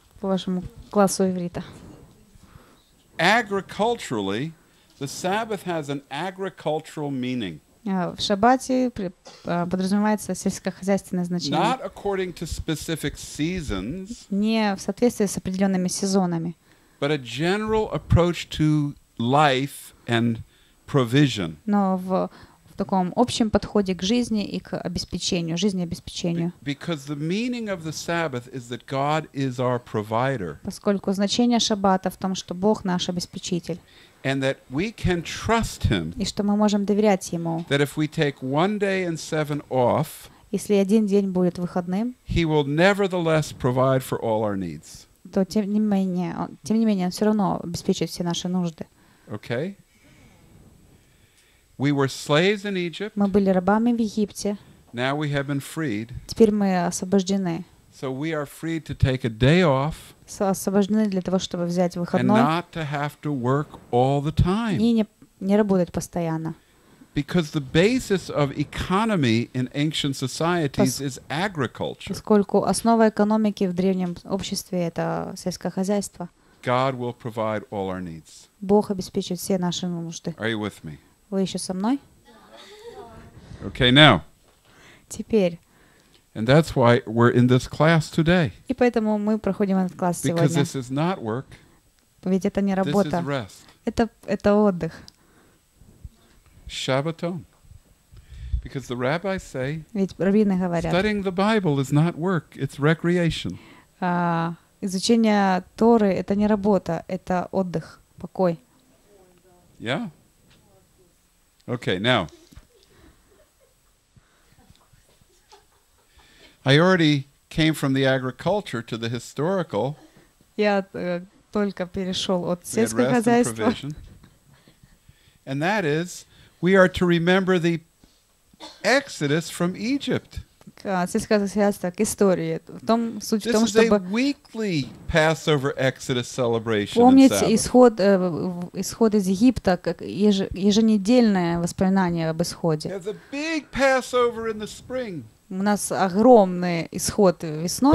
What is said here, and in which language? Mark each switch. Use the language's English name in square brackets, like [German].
[Russian] По вашему классу иврита. [English] Agriculturally, the Sabbath has an agricultural meaning. [Russian] В шаббате подразумевается сельскохозяйственное значение. [English] Not according to specific seasons. [Russian] Не в соответствии с определенными сезонами. [English] But a general approach to life and provision. [Russian] Но в таком общем подходе к жизни и к обеспечению, жизнеобеспечению. [English] Because the meaning of the Sabbath is that God is our provider. [Russian] Поскольку значение шаббата в том, что Бог наш обеспечитель. [English] And that we can trust him. [Russian] И что мы можем доверять ему. [English] That if we take one day and seven off, [Russian] если один день будет выходным, [English] he will nevertheless provide for all our needs. [Russian] То тем не менее, он все равно обеспечит все наши нужды. [English] Okay. We were slaves in Egypt. [Russian] Мы были рабами в Египте. [English] Now we have been freed. [Russian] Теперь мы освобождены. [English] So we are free to take a day off. [Russian] Освобождены для того, чтобы взять выходной. [English] And not to have to work all the time. [Russian] И не работать постоянно. [English] Because the basis of economy in ancient societies is agriculture. [Russian] Поскольку основа экономики в древнем обществе это сельское хозяйство. [English] God will provide all our needs. [Russian] Бог обеспечит все наши нужды. [English] Are you with me? [Russian] Вы еще со мной? [English] Okay, now. [Russian] Теперь. [English] And that's why we're in this class today. [Russian] И поэтому мы проходим этот класс сегодня. [English] Because this is not work. [Russian] Ведь это не работа. [English] This is rest. [Russian] Это отдых. [English] Shabbaton. Because the rabbis say. [Russian] Ведь раввины говорят. [English] Studying the Bible is not work. It's recreation. [Russian] Изучение Торы это не работа, это отдых, покой. [English] Yeah. Okay, now. I already came from the agriculture to the historical. [Russian] Я только перешел от сельского хозяйства. [English] And that is, we are to remember the Exodus from Egypt. [Russian] Сельское хозяйство к истории. В том суть в том, чтобы. [English] This is a weekly Passover Exodus celebration. [Russian] Помнить исход из Египта как еженедельное воспоминание об исходе. [English] There's a big Passover in the spring. [Russian] У нас огромный исход весной,